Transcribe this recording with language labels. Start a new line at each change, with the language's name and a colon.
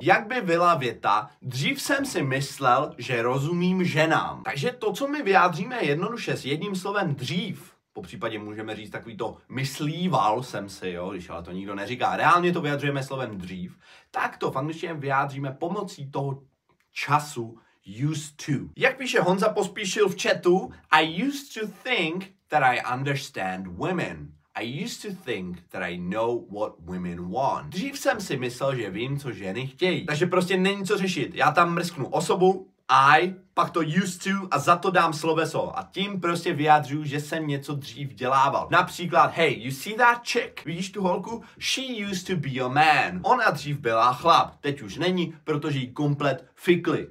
Czech: Jak by byla věta, dřív jsem si myslel, že rozumím ženám. Takže to, co my vyjádříme jednoduše s jedním slovem dřív, po případě můžeme říct takový to myslíval jsem si, jo, když ale to nikdo neříká, reálně to vyjadřujeme slovem dřív, tak to v angličtině vyjádříme pomocí toho času, used to. Jak píše Honza Pospíšil v chatu,
English: I used to think that I understand women. I used to think that I know what women want.
Czech: Dřív jsem si myslel, že vím, co ženy chtějí. Takže prostě není co řešit. Já tam mrsknu osobu, I, pak to used to a za to dám sloveso. A tím prostě vyjadřuju, že jsem něco dřív dělával. Například,
English: hey, you see that chick?
Czech: Vidíš tu holku?
English: She used to be a man.
Czech: Ona dřív byla chlap, teď už není, protože jí komplet fikli.